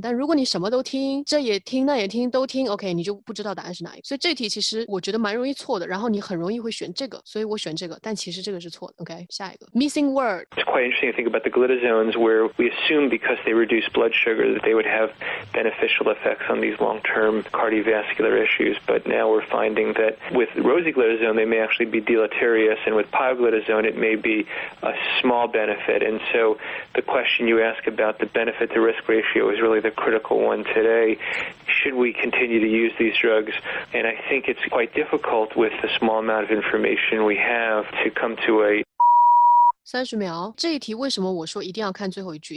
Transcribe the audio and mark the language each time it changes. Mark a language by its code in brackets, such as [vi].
[zh] 但如果你什么都听，这也听那也听都听， OK, 你就不知道答案是哪一个。所以这题其实我觉得蛮容易错的，然后你很容易会选这个，所以我选这个，但其实这个是错的。 OK, 下一个 missing word. [en] It's quite interesting to think about the glitazones where we assume because they reduce blood sugar that they would have beneficial effects on these long-term cardiovascular issues, but now we're findingthat with rosiglitazone, they may actually be deleterious, and with pioglitazone, it may be a small benefit. And so the question you ask about the benefit-to-risk ratio is really the critical one today. Should we continue to use these drugs? And I think it's quite difficult with the small amount of information we have to come to a... [zh] 30秒，这一题为什么我说一定要看最后一句？